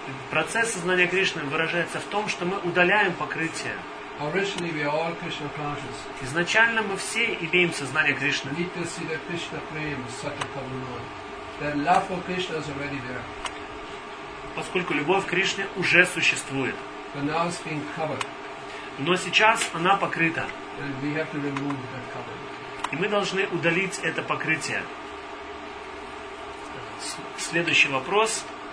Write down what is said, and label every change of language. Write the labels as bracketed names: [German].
[Russian] Процесс сознания Кришны выражается в том, что мы удаляем покрытие. [English] Originally we are all Krishna conscious. [Russian] Изначально мы все имеем сознание Кришны. [English] We need to see that Krishna prema sattva bhavanam. That love for Krishna is already there. [Russian] Поскольку любовь к Кришне уже существует. [English] But now it's being covered. [Russian] Но сейчас она покрыта. [English] And we have to remove that cover. [Russian] И мы должны удалить это покрытие. Следующий вопрос.